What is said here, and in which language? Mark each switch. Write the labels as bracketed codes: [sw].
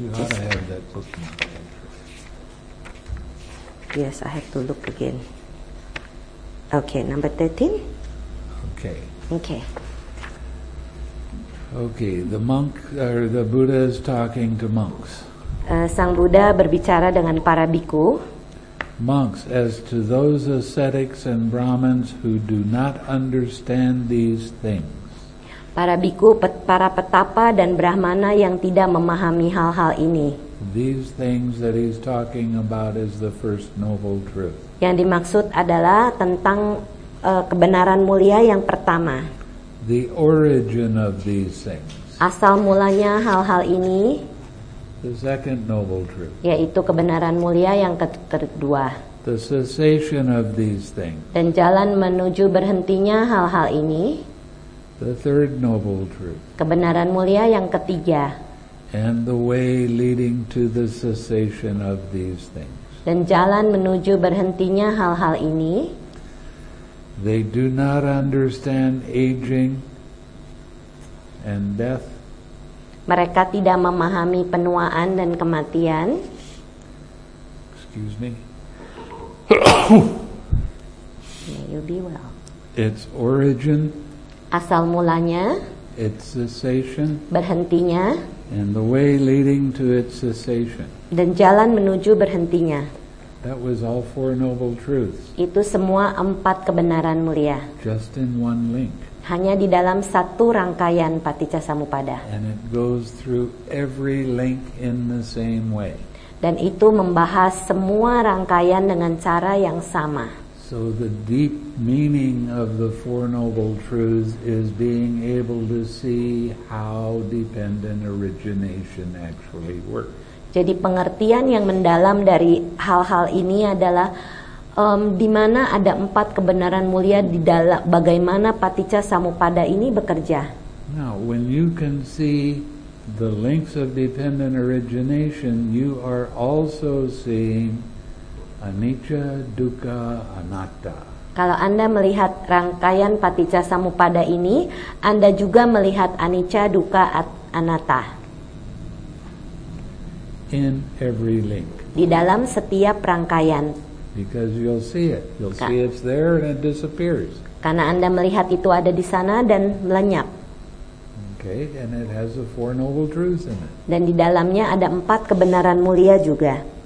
[en] You ought to have that book in your hand. Yes, I have to look again. Okay, number 13? Okay. Okay. Okay, the monk, or the Buddha is talking to monks. [id] Sang Buddha berbicara dengan para bhikkhu. [en] Monks, as to those ascetics and Brahmins who do not understand these things. [id] Para bhikkhu, para petapa dan brahmana yang tidak memahami hal-hal ini. [en] These things that he's talking about is the first noble truth. [id] Yang dimaksud adalah tentang kebenaran mulia yang pertama. [en] The origin of these things. [id] Asal mulanya hal-hal ini. [en] The second noble truth. [id] Yaitu kebenaran mulia yang kedua. [en] The cessation of these things. [id] Dan jalan menuju berhentinya hal-hal ini. [en] The third noble truth. [id] Kebenaran mulia yang ketiga. [en] And the way leading to the cessation of these things. [id] Dan jalan menuju berhentinya hal-hal ini. [en] They do not understand aging and death. [id] Mereka tidak memahami penuaan dan kematian. [en] Excuse me. May you be well. Its origin. [id] Asal mulanya. [en] Its cessation. [id] Berhentinya. [en] And the way leading to its cessation. [id] Dan jalan menuju berhentinya. [en] That was all four noble truths. [id] Itu semua empat kebenaran mulia. [en] Just in one link. [id] Hanya di dalam satu rangkaian Paticcasamuppada. [en] And it goes through every link in the same way. [id] Dan itu membahas semua rangkaian dengan cara yang sama. [en] So the deep meaning of the four noble truths is being able to see how dependent origination actually works. [id] Jadi pengertian yang mendalam dari hal-hal ini adalah di mana ada empat kebenaran mulia di dalam bagaimana Paticcasamuppada ini bekerja. [en] Now, when you can see the links of dependent origination, you are also seeing anicca, dukkha, anatta. [id] Kalau Anda melihat rangkaian Paticcasamuppada ini, Anda juga melihat anicca, dukkha, anatta. [en] In every link. [id] Di dalam setiap rangkaian. [en] Because you'll see it. You'll see it's there and it disappears. [id] Karena Anda melihat itu ada di sana dan lenyap. [en] Okay, and it has the four noble truths in it. [id] Dan di dalamnya ada empat kebenaran mulia juga.